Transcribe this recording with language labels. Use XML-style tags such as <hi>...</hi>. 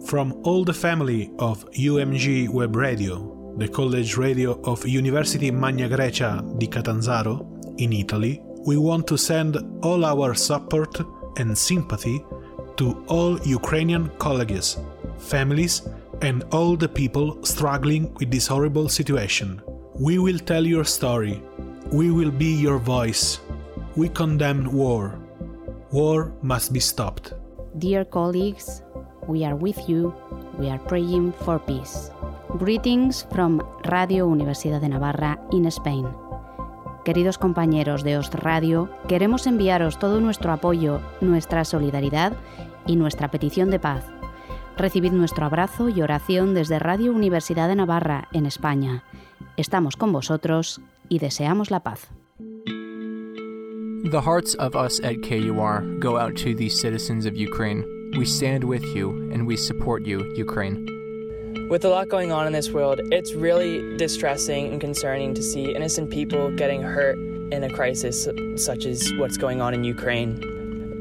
<en>From all the family of UMG Web Radio, the college radio of University Magna Grecia di Catanzaro, in Italy, we want to send all our support and sympathy to all Ukrainian colleges, families, and all the people struggling with this horrible situation. We will tell your story. We will be your voice. We condemn war. War must be stopped. Dear colleagues, we are with you. We are praying for peace. Greetings from Radio Universidad de Navarra in Spain.</en> <es>Queridos compañeros de Ost Radio, queremos enviaros todo nuestro apoyo, nuestra solidaridad y nuestra petición de paz. Recibid nuestro abrazo y oración desde Radio Universidad de Navarra en España. Estamos con vosotros y deseamos la paz.</es> <en>The hearts of us at KUR go out to the citizens of Ukraine. We stand with you and we support you, Ukraine. With a lot going on in this world, it's really distressing and concerning to see innocent people getting hurt in a crisis such as what's going on in Ukraine.</en>